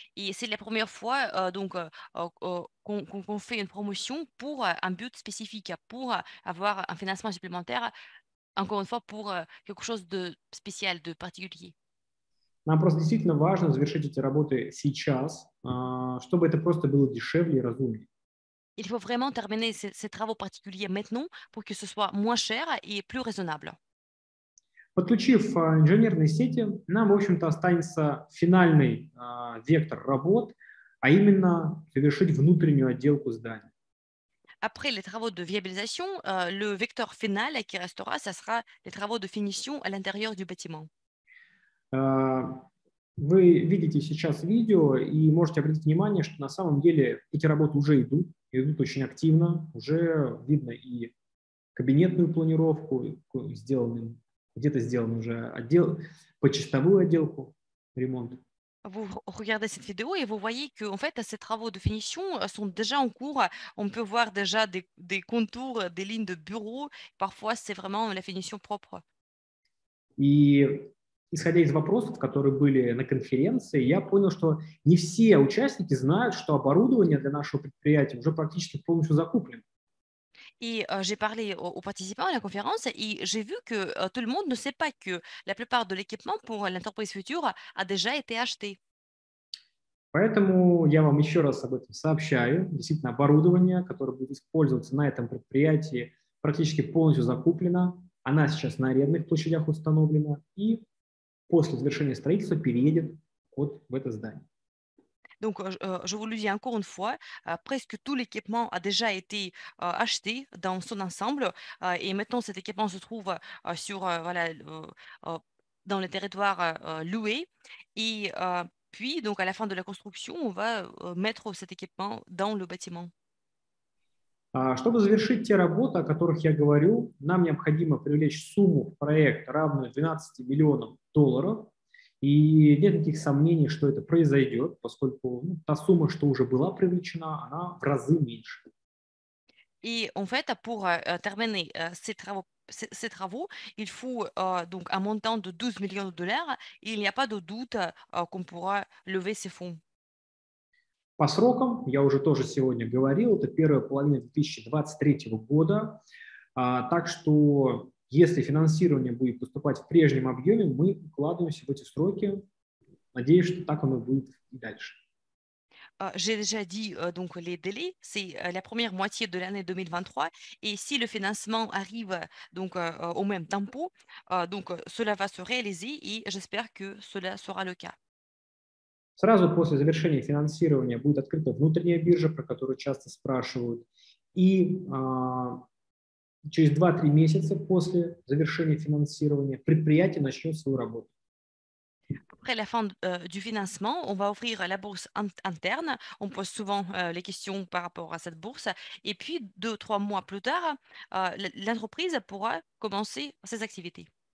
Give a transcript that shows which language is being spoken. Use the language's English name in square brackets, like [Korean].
[Russian] И это первый раз, когда мы делаем промоцию для цели специфической, чтобы получить финансирование дополнительное, [French] encore une fois, pour quelque chose de spécial, de particulier. [Russian] Нам просто действительно важно завершить эти работы сейчас, чтобы это просто было дешевле и разумнее. [French] Il faut vraiment terminer ces travaux particuliers maintenant pour que ce soit moins cher et plus raisonnable. [Russian] Подключив инженерные сети, нам, в общем-то, останется финальный вектор работ, а именно завершить внутреннюю отделку здания. [French] Après les travaux de viabilisation, le vecteur final qui restera, ce sera les travaux de finition à l'intérieur du bâtiment. [Russian] Вы видите сейчас видео и можете обратить внимание, что на самом деле эти работы уже идут очень активно, уже видно и кабинетную планировку сделаны, где-то сделан уже отдел по чистовую отделку, ремонт. [French] Vous regardez cette vidéo et vous voyez que en fait, ces travaux de finition sont déjà en cours. On peut voir déjà des contours, des lignes de bureaux. Parfois, c'est vraiment la finition propre. [Russian] И исходя из вопросов, которые были на конференции, я понял, что не все участники знают, что оборудование для нашего предприятия уже практически полностью закуплено. [French] Et j'ai parlé aux participants à la conférence et j'ai vu que tout le monde ne sait pas que la plupart de l'équipement pour l'entreprise future a déjà été acheté. [Russian] Поэтому я вам еще раз об этом сообщаю. Действительно, оборудование, которое будет использоваться на этом предприятии, практически полностью закуплено. Она сейчас на арендных площадях установлена и после завершения строительства переедет вот в это здание. [French] Donc, je vous le dis encore une fois, presque tout l'équipement a déjà été acheté dans son ensemble. Et maintenant, cet équipement se trouve dans le territoire loué. Et puis, donc, à la fin de la construction, on va mettre cet équipement dans le bâtiment. [Russian] Чтобы завершить те работы, о которых я говорю, нам необходимо привлечь сумму в проект, равную 12 миллионам долларов. И нет никаких сомнений, что это произойдет, поскольку та сумма, что уже была привлечена, она в разы меньше. [French] Et en fait, pour terminer ces travaux, il faut donc un montant de 12 millions de dollars. Il n'y a pas de doute qu'on pourra lever ces fonds. [Russian] По срокам, я уже тоже сегодня говорил, это первая половина 2023 года. Так что, если финансирование будет поступать в прежнем объеме, мы укладываемся в эти сроки. Надеюсь, что так оно будет и дальше. [French] J'ai déjà dit donc les délais, c'est la première moitié de l'année 2023 et si le financement arrive donc au même tempo, donc cela va se réaliser et j'espère que cela sera le cas. [Russian] Сразу после завершения финансирования будет открыта внутренняя биржа, про которую часто спрашивают. И через 2-3 месяца после завершения финансирования предприятие начнет свою работу. [French] Après la fin du financement, on va ouvrir la bourse interne. On pose souvent les questions par rapport à cette bourse. Et puis, 2-3 mois plus tard, l'entreprise pourra commencer ses activités.